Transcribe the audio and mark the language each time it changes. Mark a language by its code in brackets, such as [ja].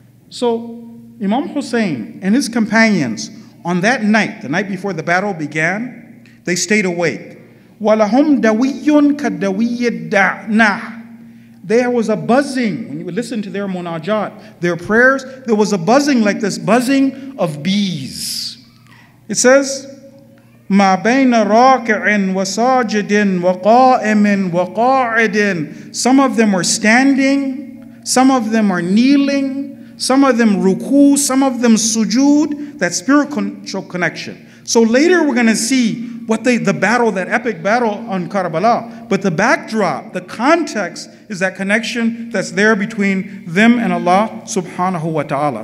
[en] So Imam Hussein and his companions on that night, the night before the battle began, they stayed awake. [ar] وَلَهُمْ دَوِيٌّ كَدَوِيِّ الدَّعْنَى. [en] There was a buzzing. When you would listen to their munajat, their prayers, there was a buzzing like this buzzing of bees. It says, [ar] مَا بَيْنَ رَاكِعٍ وَسَاجِدٍ وَقَائِمٍ وَقَاعِدٍ. [en] Some of them were standing. Some of them are kneeling. Some of them ruku. Some of them sujood. That spiritual connection. So later we're going to see the battle, that epic battle on Karbala. But the backdrop, the context, is that connection that's there between them and Allah subhanahu wa ta'ala.